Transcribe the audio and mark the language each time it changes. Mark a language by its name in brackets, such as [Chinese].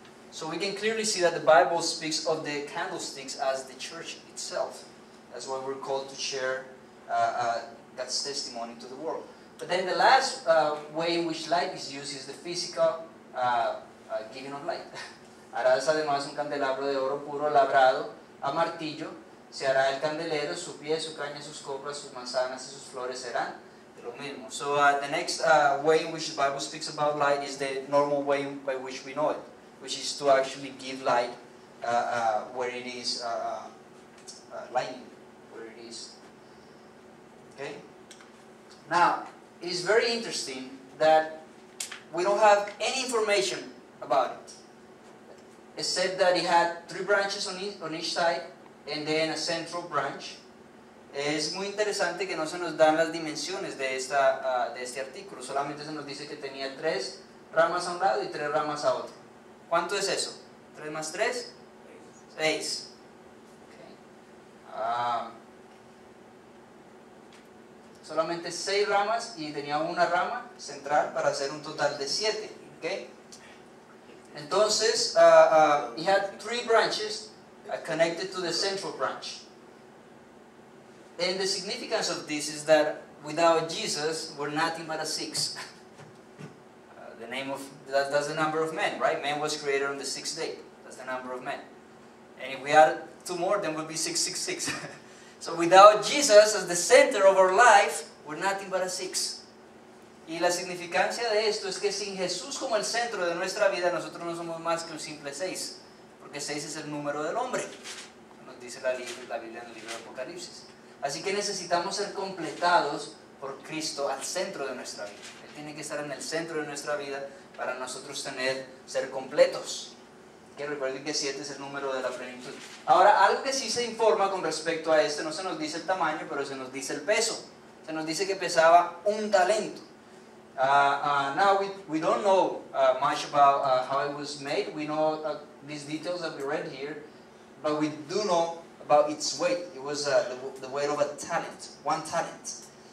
[English] So we can clearly see that the Bible speaks of the candlesticks as the church itself. That's why we're called to share God's testimony to the world. But then the last way in which light is used is the physical giving of light. [Spanish] Harás además un candelabro de oro puro labrado a martillo. Se hará el candelero, su pie, su caña, sus copas, sus manzanas y sus flores serán de lo mismo. [English] So the next way in which the Bible speaks about light is the normal way by which we know it, which is to actually give light where it is lightning, where it is. Okay. Now, it is very interesting that we don't have any information about it. It said that it had three branches on each side, and then a central branch. [Spanish] Es muy interesante que no se nos dan las dimensiones de esta de este artículo. Solamente se nos dice que tenía tres ramas a un lado y tres ramas a otro. ¿Cuánto es eso? ¿Tres más tres? Seis. Okay. Solamente seis ramas y tenía una rama central para hacer un total de siete. Okay. [English] Entonces, he had three branches connected to the central branch. And the significance of this is that without Jesus, we're nothing but a six. That's the number of men, right? Man was created on the sixth day. That's the number of men. And if we add two more, then we'll be 666. So without Jesus as the center of our life, we're nothing but a six. [Spanish] Y la significancia de esto es que sin Jesús como el centro de nuestra vida, nosotros no somos más que un simple 6. Porque 6 es el número del hombre, nos dice la Biblia en el libro de Apocalipsis. Así que necesitamos ser completados por Cristo al centro de nuestra vida. Él tiene que estar en el centro de nuestra vida para nosotros tener, ser completos. Que recuerden que 7 es el número de la plenitud. Ahora, algo que sí se informa con respecto a este, no se nos dice el tamaño, pero se nos dice el peso. Se nos dice que pesaba un talento. [English] Now we don't know much about how it was made. We know these details that we read here, but we do know about its weight. It was the weight of a talent, one talent.